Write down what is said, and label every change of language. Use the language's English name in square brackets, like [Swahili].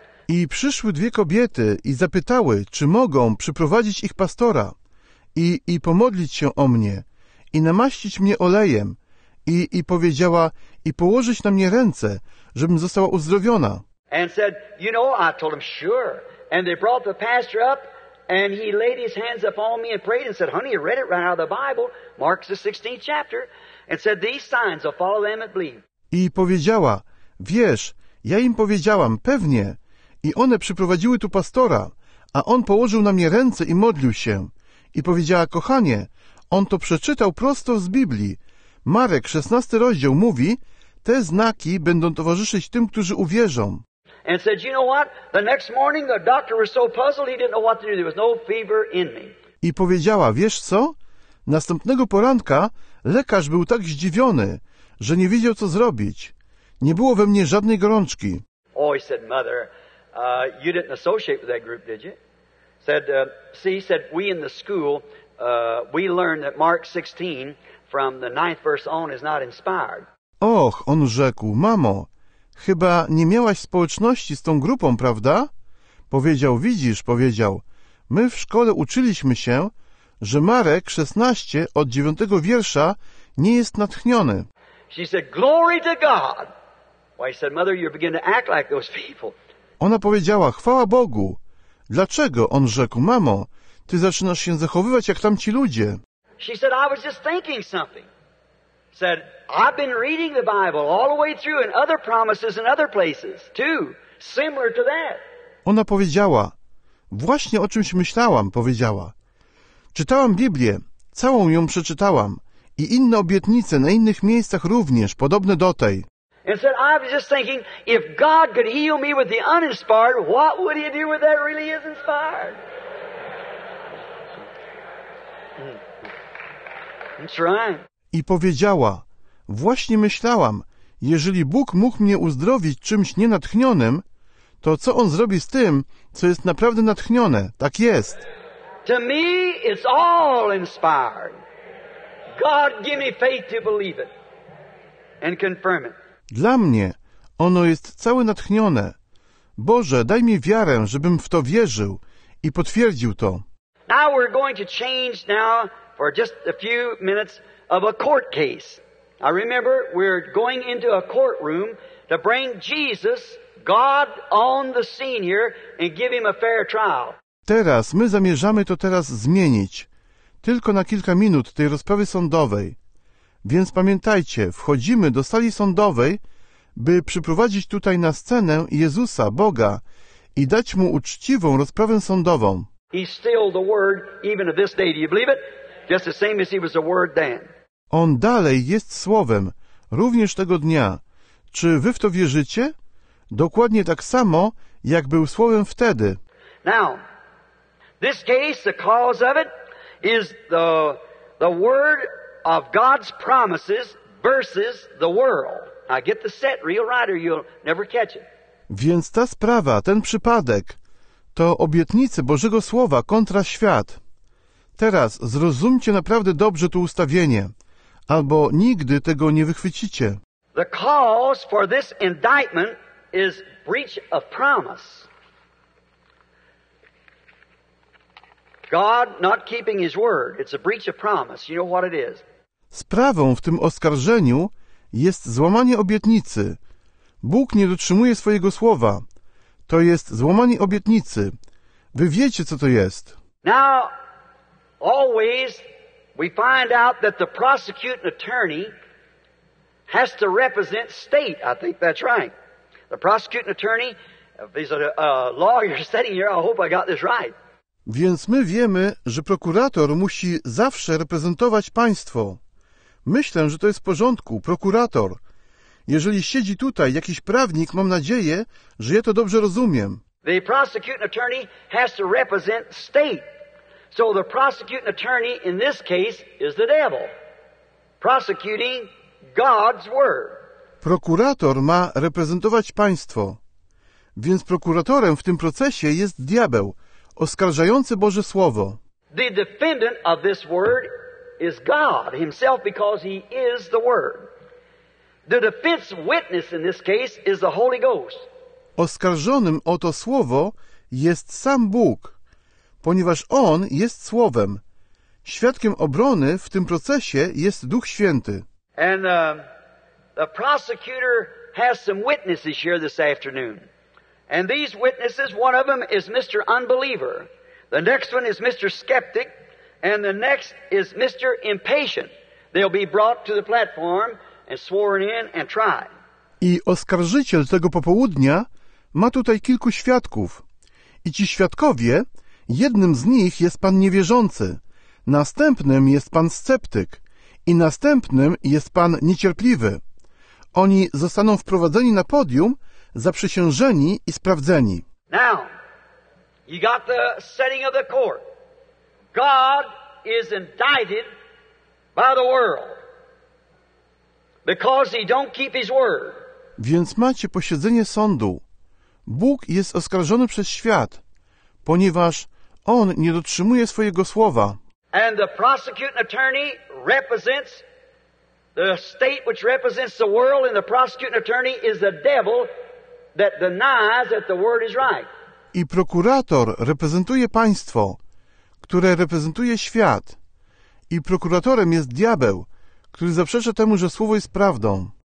[Polish] I przyszły dwie kobiety i zapytały, czy mogą przyprowadzić ich pastora i pomodlić się o mnie i namaścić mnie olejem i powiedziała i położyć na mnie ręce, żebym została uzdrowiona. [English] And said, you know, I told him sure. And they brought the pastor up. And he laid his hands upon me and prayed and said, honey, I read it right out of the Bible, Mark's the 16th chapter, and said, these signs will follow them that believe. [Polish] I powiedziała, wiesz, ja im powiedziałam, pewnie. I one przyprowadziły tu pastora, a on położył na mnie ręce i modlił się. I powiedziała, kochanie, on to przeczytał prosto z Biblii. Marek, 16 rozdział, mówi, te znaki będą towarzyszyć tym, którzy uwierzą. [English] And said, you know what? The next morning the doctor was so puzzled he didn't know what to do. There was no fever in me. [Polish] I powiedziała, wiesz co? Następnego poranka lekarz był tak zdziwiony, że nie wiedział co zrobić. Nie było we mnie żadnej gorączki. [English] Oh, he said, mother, you didn't associate with that group, did you? Said, see, said, we in the school, we learned that Mark 16 from the 9th verse on is not inspired. [Polish] Och, on rzekł, mamo, chyba nie miałaś społeczności z tą grupą, prawda? Powiedział, widzisz, powiedział, my w szkole uczyliśmy się, że Marek 16 od 9 wiersza nie jest natchniony. [English] She said, glory to God. Why, she said, mother, you're beginning to act like those people. [Polish] Ona powiedziała, chwała Bogu. Dlaczego? On rzekł, mamo, ty zaczynasz się zachowywać jak tamci ludzie. [English] She said, I was just thinking something. Said, I've been reading the Bible all the way through and other promises in other places too, similar to that. [Polish] Ona powiedziała, właśnie o czymś myślałam, powiedziała. Czytałam Biblię, całą ją przeczytałam i inne obietnice na innych miejscach również, podobne do tej. [English] And said, I was just thinking, if God could heal me with the uninspired, what would he do with that really is inspired? That's right. [Polish] I powiedziała, właśnie myślałam, jeżeli Bóg mógł mnie uzdrowić czymś nienatchnionym, to co On zrobi z tym, co jest naprawdę natchnione? Tak jest. [English] To me it's all inspired. God, give me faith to believe it and confirm it. [Polish] Dla mnie ono jest całe natchnione. Boże, daj mi wiarę, żebym w to wierzył i potwierdził to. [English] Now we're going to change now for just a few minutes. Of a court case. I remember we're going into a courtroom to bring Jesus, God, on the scene here and give him a fair trial. [Polish] Teraz my zamierzamy to teraz zmienić. Tylko na kilka minut tej rozprawy sądowej. Więc pamiętajcie, wchodzimy do sali sądowej, by przyprowadzić tutaj na scenę Jezusa, Boga i dać mu uczciwą rozprawę sądową. [English] He's still the word even of this day. Do you believe it? Just the same as he was a word then. [Polish] On dalej jest słowem, również tego dnia. Czy wy w to wierzycie? Dokładnie tak samo, jak był słowem wtedy. [English] Now, this case, the cause of it, is the word of God's promises versus the world. Now get the set real right or you'll never catch it. [Polish] Więc ta sprawa, ten przypadek, to obietnice Bożego Słowa kontra świat. Teraz zrozumcie naprawdę dobrze to ustawienie, albo nigdy tego nie wychwycicie. [English] The cause for this indictment is breach of promise. God not keeping his word. It's a breach of promise. You know what it is. [Polish] Sprawą w tym oskarżeniu jest złamanie obietnicy. Bóg nie dotrzymuje swojego słowa. To jest złamanie obietnicy. Wy wiecie, co to jest. [English] Now, always we find out that the prosecuting attorney has to represent state. I think that's right. The prosecuting attorney, if he's a lawyer sitting here, I hope I got this right. [Polish] Więc my wiemy, że prokurator musi zawsze reprezentować państwo. Myślę, że to jest w porządku, prokurator. Jeżeli siedzi tutaj jakiś prawnik, mam nadzieję, że ja to dobrze rozumiem. [English] The prosecuting attorney has to represent state. So the prosecuting attorney in this case is the devil. Prosecuting God's word. [Polish] Prokurator ma reprezentować państwo. Więc prokuratorem w tym procesie jest diabeł, oskarżający Boże Słowo. [English] The defendant of this word is God himself because he is the word. The defense witness in this case is the Holy Ghost. [Polish] Oskarżonym o to słowo jest sam Bóg, ponieważ On jest Słowem. Świadkiem obrony w tym procesie jest Duch Święty. [English] And the prosecutor has some witnesses here this afternoon. And these witnesses, one of them is Mr. Unbeliever. The next one is Mr. Skeptic. And the next is Mr. Impatient. They'll be brought to the platform and sworn in and tried. [Polish] I oskarżyciel tego popołudnia ma tutaj kilku świadków. I ci świadkowie, jednym z nich jest pan niewierzący, następnym jest pan sceptyk i następnym jest pan niecierpliwy. Oni zostaną wprowadzeni na podium, zaprzysiężeni i sprawdzeni. [English] Now, you got the setting of the court. God is indicted by the world because he don't keep his word. [Polish] Więc macie posiedzenie sądu. Bóg jest oskarżony przez świat, ponieważ On nie dotrzymuje swojego słowa. [English] And the prosecuting attorney represents the state which represents the world, and the prosecuting attorney is the devil that denies that the word is right. [Polish] I prokurator reprezentuje państwo, które reprezentuje świat. I prokuratorem jest diabeł, który zaprzecza temu, że słowo jest prawdą.